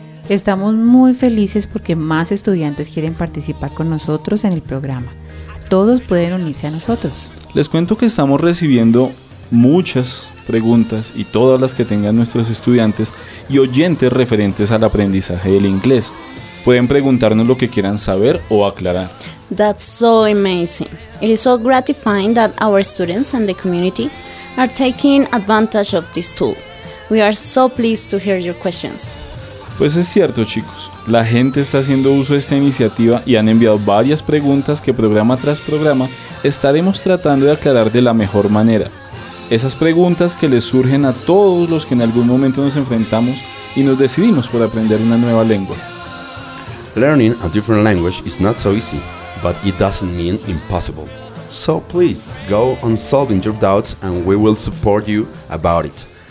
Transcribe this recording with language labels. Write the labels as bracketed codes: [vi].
[es] Estamos muy felices porque más estudiantes quieren participar con nosotros en el programa. Todos pueden unirse a nosotros. Les cuento que estamos recibiendo muchas preguntas y todas las que tengan nuestros estudiantes y oyentes referentes al aprendizaje del inglés. Pueden preguntarnos lo que quieran saber o aclarar. [en] That's so amazing. It is so gratifying that our students and the community are taking advantage of this tool. We are so pleased to hear your questions. [es] Pues es cierto, chicos, la gente está haciendo uso de esta iniciativa y han enviado varias preguntas que programa tras programa estaremos tratando de aclarar de la mejor manera. Esas preguntas que les surgen a todos los que en algún momento nos enfrentamos y nos decidimos por aprender una nueva lengua. [en] Learning a different language is not so easy, but it doesn't mean impossible. So please go on solving your doubts and we will support you about it.